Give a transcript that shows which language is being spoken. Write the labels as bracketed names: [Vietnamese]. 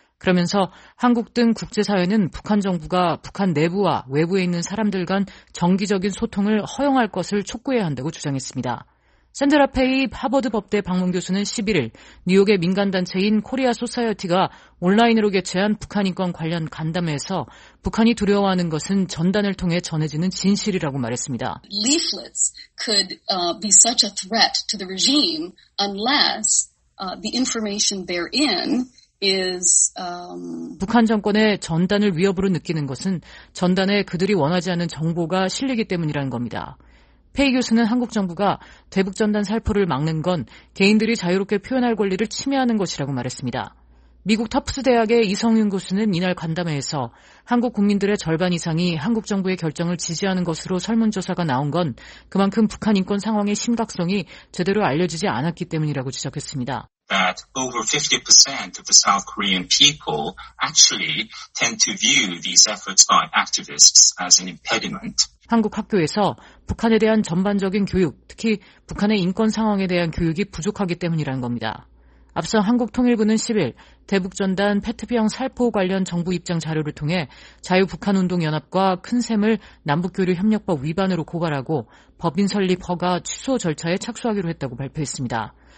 [Korean] 그러면서 한국 등 국제사회는 북한 정부가 북한 내부와 외부에 있는 사람들 간 정기적인 소통을 허용할 것을 촉구해야 한다고 주장했습니다. 샌드라 페이 하버드 법대 방문 교수는 11일 뉴욕의 민간단체인 코리아 소사이어티가 온라인으로 개최한 북한 인권 관련 간담회에서 북한이 두려워하는 것은 전단을 통해 전해지는 진실이라고 말했습니다. [English] Leaflets could be such a threat to the regime unless the information therein is [Korean] 북한 정권의 전단을 위협으로 느끼는 것은 전단에 그들이 원하지 않은 정보가 실리기 때문이라는 겁니다. 페이 교수는 한국 정부가 대북전단 살포를 막는 건 개인들이 자유롭게 표현할 권리를 침해하는 것이라고 말했습니다. 미국 터프스 대학의 이성윤 교수는 이날 간담회에서 한국 국민들의 절반 이상이 한국 정부의 결정을 지지하는 것으로 설문조사가 나온 건 그만큼 북한 인권 상황의 심각성이 제대로 알려지지 않았기 때문이라고 지적했습니다. [English] That over 50% of the South Korean people actually tend to view these efforts by activists as an impediment. [Korean] 한국 학교에서 북한에 대한 전반적인 교육, 특히 북한의 인권 상황에 대한 교육이 부족하기 때문이라는 겁니다. 앞서 한국통일부는 10일 대북전단 페트병 살포 관련 정부 입장 자료를 통해 자유북한운동연합과 큰샘을 남북교류협력법 위반으로 고발하고 법인 설립 허가 취소 절차에 착수하기로 했다고 발표했습니다.